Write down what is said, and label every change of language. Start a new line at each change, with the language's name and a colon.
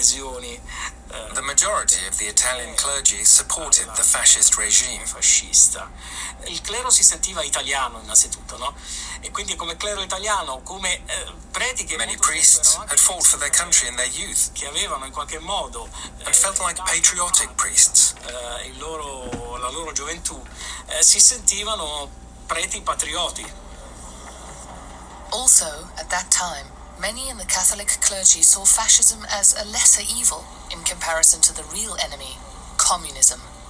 English: The majority of the Italian clergy supported the fascist regime.
Italian: Il clero si sentiva italiano innanzitutto, no? E quindi come clero italiano, come preti che
English: many priests had fought for their country in their youth,
Italian: che avevano in qualche modo
English: and felt like patriotic priests.
Italian: La loro gioventù si sentivano preti patrioti.
English: Also at that time, many in the Catholic clergy saw fascism as a lesser evil in comparison to the real enemy, communism.